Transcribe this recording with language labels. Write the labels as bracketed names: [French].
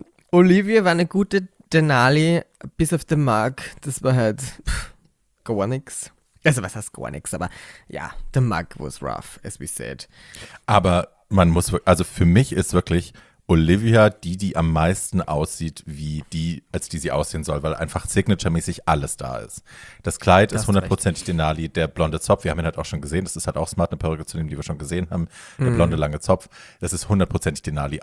[German] Olivia war eine gute Denali, bis auf den Mark, das war halt gar nichts. Also was heißt gar nichts, aber ja, [English] the Mark was rough, as we said. [German] Aber man muss, also für mich ist wirklich Olivia die am meisten aussieht, wie die, als die sie aussehen soll, weil einfach signature-mäßig alles da ist. Das Kleid ist 100% Denali, der blonde Zopf, wir haben ihn halt auch schon gesehen, das ist halt auch smart, eine Perücke zu nehmen, die wir schon gesehen haben, der blonde lange Zopf, das ist 100% Denali.